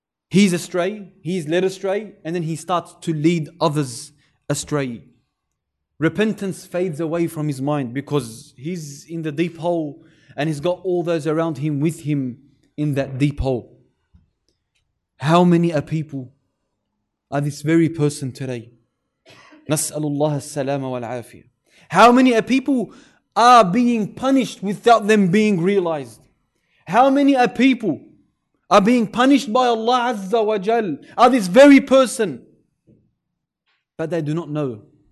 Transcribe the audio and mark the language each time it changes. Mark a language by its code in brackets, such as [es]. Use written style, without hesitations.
[en] He's astray, he's led astray, and then he starts to lead others astray. Repentance fades away from his mind because he's in the deep hole and he's got all those around him with him in that deep hole. How many are people are this very person today. [ar] نسأل الله السلامة والعافية. [en] How many people are being punished without them being realized? How many are people are being punished by Allah Azza wa Jal? Are this very person, but they do not know.